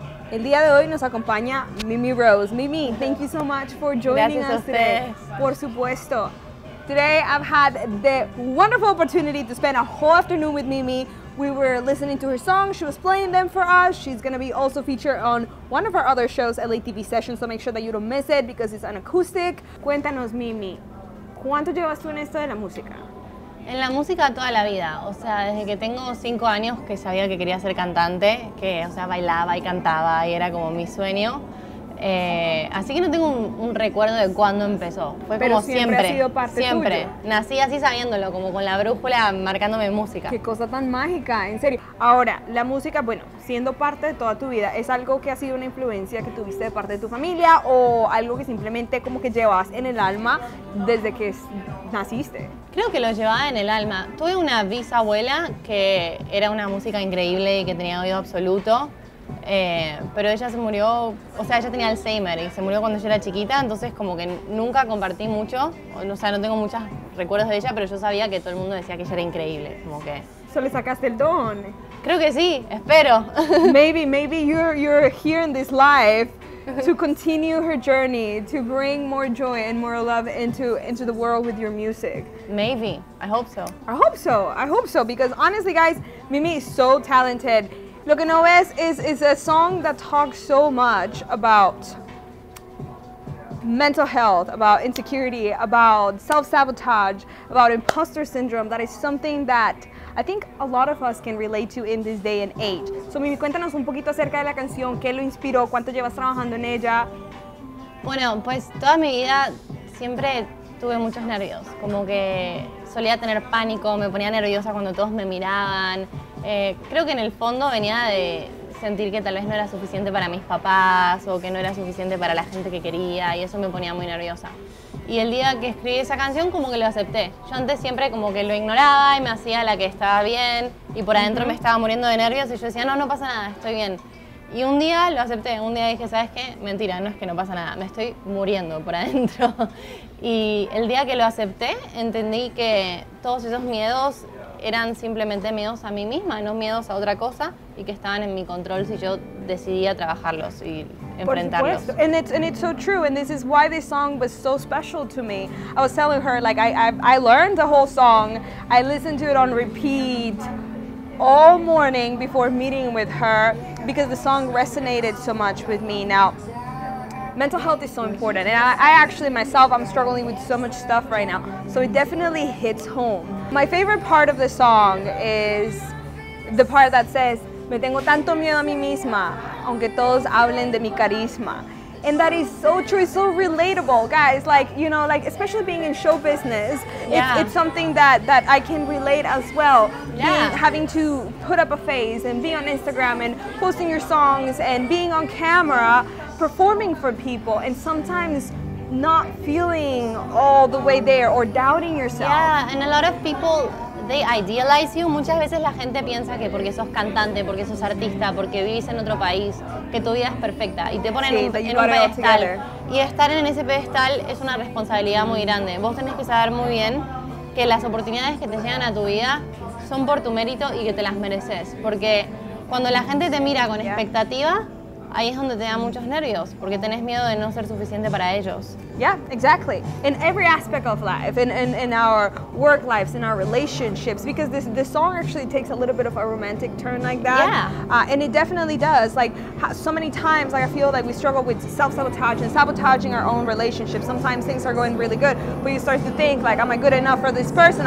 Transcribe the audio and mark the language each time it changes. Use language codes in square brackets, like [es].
[es] El día de hoy nos acompaña Mimi Rose. [en] Mimi, thank you so much for joining [es] Gracias [en] us today. [es] Por supuesto. [en] Today, I've had the wonderful opportunity to spend a whole afternoon with Mimi. We were listening to her songs, she was playing them for us. She's gonna be also featured on one of our other shows, LATV Sessions, so make sure that you don't miss it because it's an acoustic. [es] Cuéntanos, Mimi, ¿cuánto llevas tú en esto de la música? En la música toda la vida, o sea, desde que tengo 5 años que sabía que quería ser cantante, que, o sea, bailaba y cantaba y era como mi sueño. Así que no tengo un recuerdo de cuándo empezó. Fue Pero como siempre. Siempre ha sido parte siempre. Tuyo. Nací así sabiéndolo, como con la brújula marcándome música. Qué cosa tan mágica, en serio. Ahora, la música, bueno, siendo parte de toda tu vida, ¿es algo que ha sido una influencia que tuviste de parte de tu familia o algo que simplemente como que llevas en el alma desde que naciste? Creo que lo llevaba en el alma. Tuve una bisabuela que era una música increíble y que tenía oído absoluto. Pero ella se murió, o sea, ella tenía Alzheimer y se murió cuando yo era chiquita, entonces como que nunca compartí mucho, o sea, no tengo muchos recuerdos de ella, pero yo sabía que todo el mundo decía que ella era increíble, como que... ¿So le sacaste el don? Creo que sí, espero. [en] Maybe you're here in this life to continue her journey, to bring more joy and more love into the world with your music. Maybe, I hope so. I hope so, because honestly, guys, Mimi is so talented. Lo que no ves is a song that talks so much about mental health, about insecurity, about self-sabotage, about imposter syndrome. That is something that I think a lot of us can relate to in this day and age. [es] So Mimi, cuéntanos un poquito acerca de la canción, qué lo inspiró, cuánto llevas trabajando en ella. Bueno, pues toda mi vida siempre tuve muchos nervios, como que solía tener pánico, me ponía nerviosa cuando todos me miraban. Creo que en el fondo venía de sentir que tal vez no era suficiente para mis papás o que no era suficiente para la gente que quería y eso me ponía muy nerviosa. Y el día que escribí esa canción como que lo acepté. Yo antes siempre como que lo ignoraba y me hacía la que estaba bien y por adentro me estaba muriendo de nervios y yo decía, no, no pasa nada, estoy bien. Y un día lo acepté, un día dije, ¿sabes qué? Mentira, no es que no pasa nada, me estoy muriendo por adentro. Y el día que lo acepté entendí que todos esos miedos eran simplemente miedos a mí misma, no miedos a otra cosa, y que estaban en mi control si yo decidía trabajarlos y enfrentarlos. Por supuesto. [en] And it's so true, and this is why this song was so special to me. I was telling her, like, I learned the whole song. I listened to it on repeat all morning before meeting with her because the song resonated so much with me. Now, mental health is so important, and I actually myself, I'm struggling with so much stuff right now, so it definitely hits home. My favorite part of the song is the part that says, [es] me tengo tanto miedo a mí misma, aunque todos hablen de mi carisma. [en] And that is so true, so relatable, guys. Like, you know, like, especially being in show business, yeah. it's something that I can relate as well. Yeah. Having to put up a face and be on Instagram and posting your songs and being on camera, performing for people, and sometimes not feeling all the way there or doubting yourself. Yeah, and a lot of people, they idealize you. [es] Muchas veces la gente piensa que porque sos cantante, porque sos artista, porque vivís en otro país, que tu vida es perfecta y te ponen en un pedestal. Y estar en ese pedestal es una responsabilidad muy grande. Vos tenés que saber muy bien que las oportunidades que te llegan a tu vida son por tu mérito y que te las mereces. Porque cuando la gente te mira con expectativa, ahí es donde te da muchos nervios, porque tenés miedo de no ser suficiente para ellos. [en] Yeah, exactly. In every aspect of life, in our work lives, in our relationships, because this song actually takes a little bit of a romantic turn like that. Yeah. And it definitely does. Like, so many times, like, I feel like we struggle with self-sabotage and sabotaging our own relationships. Sometimes things are going really good, but you start to think, like, am I good enough for this person?